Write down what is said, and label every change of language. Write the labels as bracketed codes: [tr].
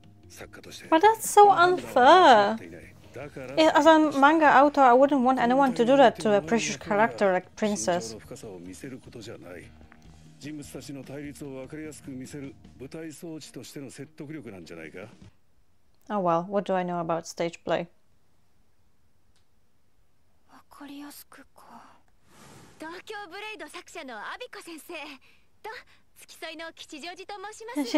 [ja] 作家として。 [en] But that's so unfair. As a manga author, I wouldn't want anyone to do that to a precious character like princess. [ja] 心情の深さを見せることじゃない。人物たちの対立を分かりやすく見せる舞台装置としての説得力なんじゃないか。 [en] Oh well, what do I know about stage play? [ja] 分かりやすくか。東京ブレイド作者のアビコ先生と付き添いの吉祥寺と申します。